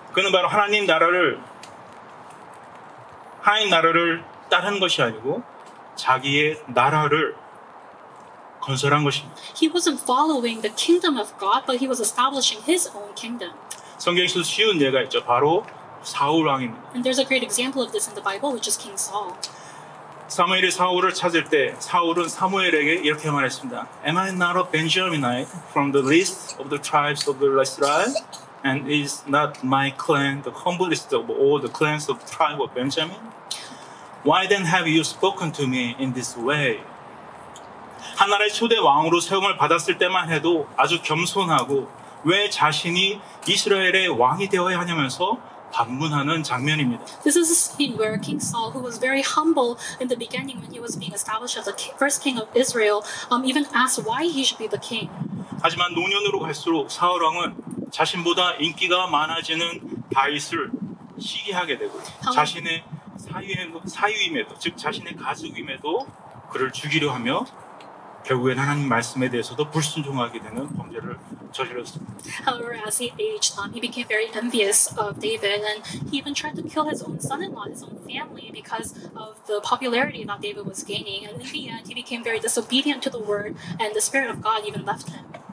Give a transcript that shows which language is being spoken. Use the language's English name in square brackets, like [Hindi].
[Korean] 그는 바로 하나님 나라를 따른 것이 아니고 자기의 나라를 건설한 것입니다. [English] He wasn't following the kingdom of God, but he was establishing his own kingdom. [Korean] 성경에서 쉬운 예가 있죠. 바로 사울 왕입니다. [English] And there's a great example of this in the Bible, which is King Saul. [Korean] 사무엘이 사울을 찾을 때 사울은 사무엘에게 이렇게 말했습니다. [English] Am I not a Benjaminite from the least of the tribes of the Israel? And is not my clan the humblest of all the clans of the tribe of Benjamin? Why then have you spoken to me in this way? [Korean] 한 나라의 초대 왕으로 세움을 받았을 때만 해도 아주 겸손하고 왜 자신이 이스라엘의 왕이 되어야 하냐면서 반문하는 장면입니다. [English] This is a scene where King Saul, who was very humble in the beginning when he was being established as the first king of Israel, even asked why he should be the king. [Korean] 하지만 노년으로 갈수록 사울 왕은 자신보다 인기가 많아지는 다윗을 시기하게 되고 자신의 사위임에도, 즉 자신의 가족임에도 그를 죽이려 하며 결국엔 하나님 말씀에 대해서도 불순종하게 되는 범죄를 저질렀습니다. [English] However, as he aged, he became very envious of David, and he even tried to kill his own son-in-law, his own family, because of the popularity that David was gaining. And in the end, he became very disobedient to the word, and the spirit of God even left him.